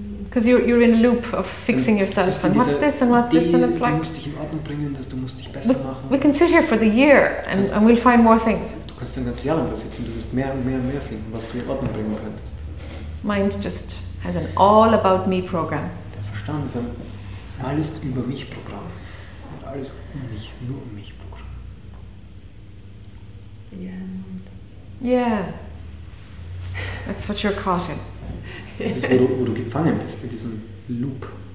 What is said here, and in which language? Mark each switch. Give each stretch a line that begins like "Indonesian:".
English: Because you're in a loop of fixing yourself and what's this and what's this and it's like.
German: Du musst dich in Ordnung bringen, dass du musst dich besser machen.
English: We can sit here for the year and we'll find more things.
German: Du kannst dann ganz Jahr lang da sitzen. Du wirst mehr und mehr und mehr finden, was du in Ordnung bringen könntest.
English: Mind just has an all about me program.
German: Der Verstand ist ein alles über mich Programm und alles um mich, nur um mich Programm.
English: Yeah, that's what you're caught in.
German: Das ist, wo du gefangen bist, in diesem Loop.